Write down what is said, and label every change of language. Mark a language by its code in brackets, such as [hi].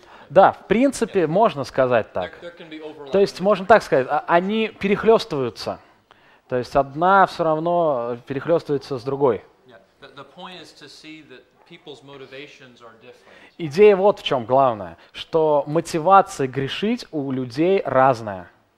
[ru] Да, в принципе, yeah. Можно сказать так. То есть, можно так сказать, они перехлёстываются. То есть, одна всё равно перехлёстывается с другой. Yeah. [en] The point is to see that people's motivations are different. [ru] Идея вот в чём главная, что мотивация грешить у людей разная.